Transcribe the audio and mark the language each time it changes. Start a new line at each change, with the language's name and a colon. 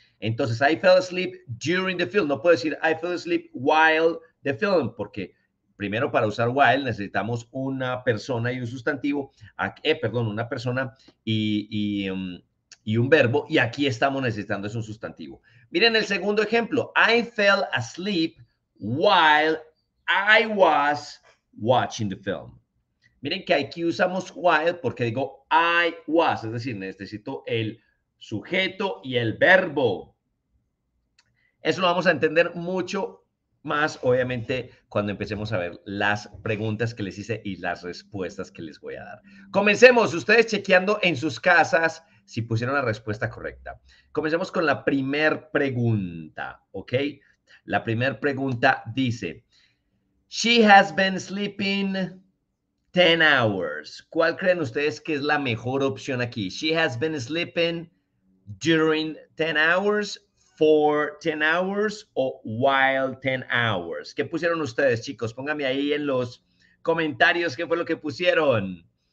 Spanish: Entonces,
English: I fell asleep during the film.
Spanish: No puedo decir
English: I fell asleep while the film,
Spanish: porque primero para usar while necesitamos una persona y un sustantivo. Perdón, una persona y un verbo, y aquí estamos necesitando es un sustantivo. Miren el segundo ejemplo.
English: I fell asleep while I was watching the film.
Spanish: Miren que aquí usamos while porque digo
English: I was,
Spanish: es decir, necesito el sujeto y el verbo. Eso lo vamos a entender mucho más, obviamente, cuando empecemos a ver las preguntas que les hice y las respuestas que les voy a dar. Comencemos, ustedes chequeando en sus casas. Si pusieron la respuesta correcta. Comencemos con la primera pregunta, ¿ok? La primera pregunta dice,
English: She has been sleeping 10 hours.
Spanish: ¿Cuál creen ustedes que es la mejor opción aquí?
English: She has been sleeping during 10 hours, for 10 hours o while 10 hours.
Spanish: ¿Qué pusieron ustedes, chicos? Pónganme ahí en los comentarios qué fue lo que pusieron.